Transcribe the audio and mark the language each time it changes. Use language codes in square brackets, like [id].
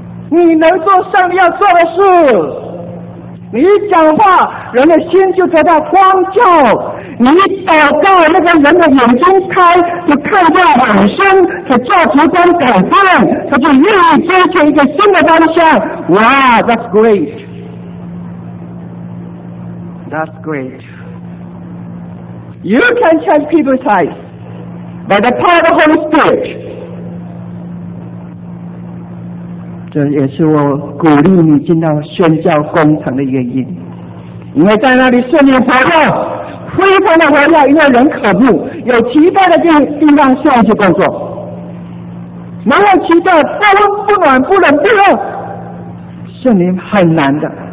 [zh] 你能做上帝要做的事，你一讲话人的心就得到光照，你一祷告那个人的眼睛开，就看到往生，就做出光改变，他就愿意追求一个新的方向。 [en] 哇 That's greatThat's great. You can change people's lives by the power of the Holy Spirit. [zh] 这也是我鼓励你进到宣教工程的原因，因为在那里圣灵活跃，非常的活跃，因为人渴慕，有期待的地方需要去工作，没有期待，不温不暖，不冷不热，圣灵很难的。